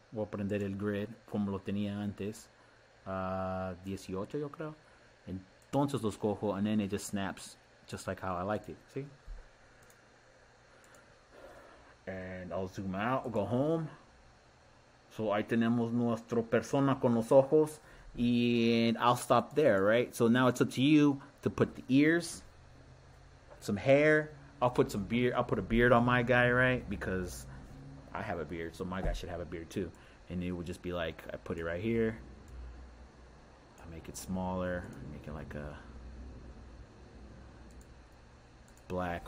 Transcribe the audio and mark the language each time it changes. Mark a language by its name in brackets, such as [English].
[Spanish] Voy a prender el grid como lo tenía antes. 18, yo creo. Entonces los cojo, [English] and then it just snaps just like how I liked it. See? And I'll zoom out, go home. [Spanish] So ahí tenemos nuestro persona con los ojos. [English] And I'll stop there, right? So now it's up to you to put the ears, some hair. I'll put some beard. I'll put a beard on my guy, right? Because I have a beard, so my guy should have a beard too. And it would just be like I put it right here. I make it smaller, make it like a black.